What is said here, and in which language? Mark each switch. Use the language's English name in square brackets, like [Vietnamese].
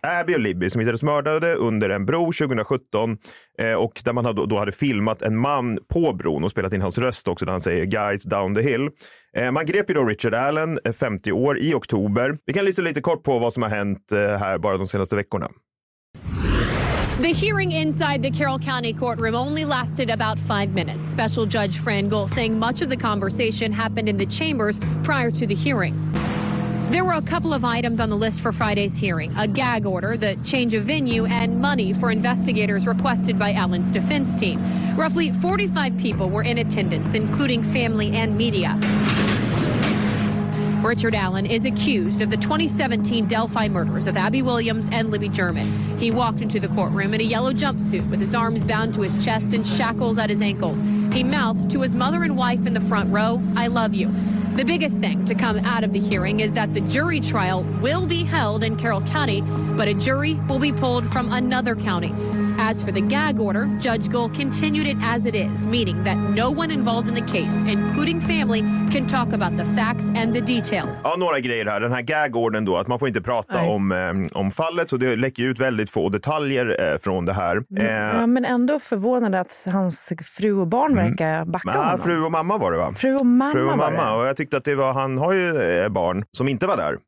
[Swedish] Abby och Libby som hittades mördade under en bro 2017 och där man hade filmat en man på bron och spelat in hans röst också där han säger [English] "Guys down the hill". [Swedish] Man grep ju då Richard Allen, 50 år, i oktober. Vi kan lyssna lite kort på vad som har hänt här bara de senaste veckorna. [English] The hearing inside the Carroll County courtroom only lasted about 5 minutes. Special Judge Fran Gull saying much of the conversation happened in the chambers prior to the hearing. There were a couple of items on the list for Friday's hearing. A gag order, the change of venue, and money for investigators requested by Allen's defense team. Roughly 45 people were in attendance, including family and media. Richard Allen is accused of the 2017 Delphi murders of Abby Williams and Libby German. He walked into the courtroom in a yellow jumpsuit with his arms bound to his chest and shackles at his ankles. He mouthed to his mother and wife in the front row, "I love you." The biggest thing to come out of the hearing is that the jury trial will be held in Carroll County, but a jury will be pulled from another county. As for the gag order, Judge Gull continued it as it is, meaning that no one involved in the case, including family, can talk about the facts and the details. [Swedish] Ja, några grejer här. Den här gag-ordern då, att man får inte prata om fallet, så det läcker ut väldigt få detaljer från det här. Men ändå förvånande att hans fru och barn verkar backa honom. Ja, fru och mamma var det, va? Fru och mamma. Och jag tyckte att det var, han har ju barn som inte var där.